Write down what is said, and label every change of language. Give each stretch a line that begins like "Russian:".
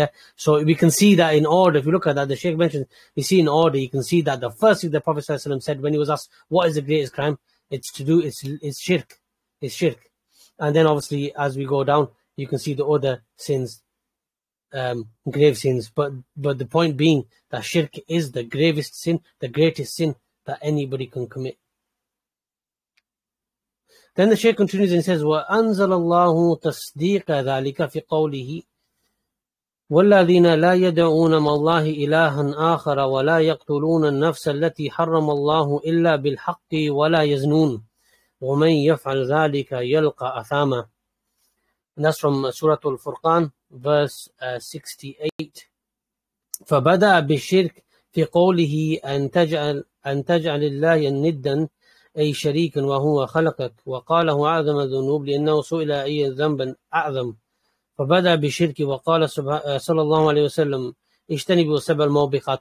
English: Yeah, so we can see that in order, if you look at that, the Shaykh mentioned, you see in order, you can see that the first thing the Prophet ﷺ said when he was asked what is the greatest crime, it's shirk. And then obviously as we go down, you can see the other sins, grave sins, but the point being that shirk is the gravest sin, the greatest sin that anybody can commit. Then the Shaykh continues and says,
Arabic: وَأَنزَلَ اللَّهُ تَصْدِيقَ ذَلِكَ فِي قَوْلِهِ وَالَّذِينَ لَا يَدْعُونَ مَعَ اللَّهِ إِلَٰهًا آخَرَ وَلَا يَقْتُلُونَ النَّفْسَ الَّتِي حَرَّمَ اللَّهُ إِلَّا بِالْحَقِّ وَلَا يَزْنُونَ وَمَنْ يَفْعَلْ ذَلِكَ يَلْقَ أَثَامًا.
English: And that's from Surah Al-Furqan, verse 68.
Arabic: فَبَدَأَ بِالشِّرْكِ فِي قَوْلِهِ أَنْ تَجْعَلِ اللَّهِ نِدًّا أَيْ شَرِيكًا وَهُوَ خَلَقَكَ وَقَالَهُ أَعْظَمُ الذُّنُوبِ لِأَنَّهُ سُئِلَ أَيَّ ذَنْبٍ أَعْظَمُ فَبَدَأَ بِالشِّرْكِ وَقَالَ صَلَّى اللَّهُ عَلَيْهِ وَسَلَّمَ اجْتَنِبُوا سَبْعَ الْمَوْبِقَاتِ.